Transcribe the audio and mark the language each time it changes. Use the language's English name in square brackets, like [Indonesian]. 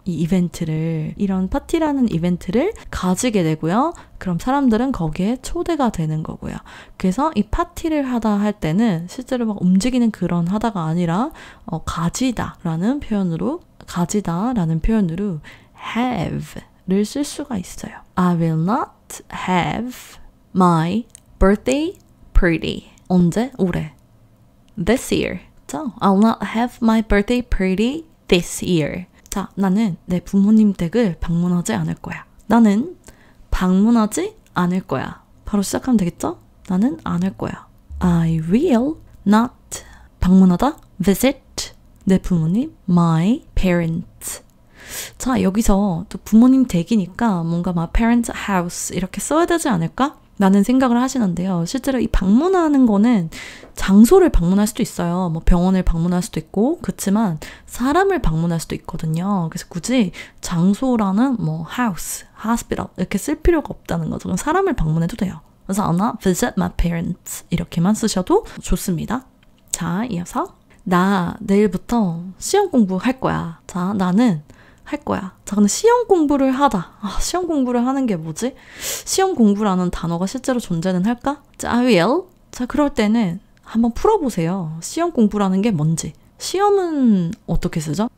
[Korean] 이 이벤트를 이런 파티라는 이벤트를 가지게 되고요. 그럼 사람들은 거기에 초대가 되는 거고요. 그래서 이 파티를 하다 할 때는 실제로 막 움직이는 그런 하다가 아니라 가지다라는 표현으로 가지다라는 표현으로 have를 쓸 수가 있어요. [English] I will not have my birthday party. [Korean] 언제? 올해. [English] This year. So, I will not have my birthday party this year. [Korean] 자, 나는 내 부모님 댁을 방문하지 않을 거야. 나는 방문하지 않을 거야. 바로 시작하면 되겠죠? 나는 안 할 거야. [English] I will not [Korean] 방문하다 visit 내 부모님, [English] my parents. [Korean] 자, 여기서 또 부모님 댁이니까 뭔가 막 parents house 이렇게 써야 되지 않을까? 라는 생각을 하시는데요. 실제로 이 방문하는 거는 장소를 방문할 수도 있어요. 뭐 병원을 방문할 수도 있고, 그렇지만 사람을 방문할 수도 있거든요. 그래서 굳이 장소라는 뭐 house, hospital 이렇게 쓸 필요가 없다는 거죠. 그럼 사람을 방문해도 돼요. [English] 그래서 I'll not visit my parents [Korean] 이렇게만 쓰셔도 좋습니다. 자, 이어서. 나 내일부터 시험 공부할 거야. 자, 나는 할 거야. 자, 근데 시험 공부를 하다. 아, 시험 공부를 하는 게 뭐지? 시험 공부라는 단어가 실제로 존재는 할까? [English] 자, I will. [Korean] 자, 그럴 때는 한번 풀어보세요. 시험 공부라는 게 뭔지. 시험은 어떻게 쓰죠?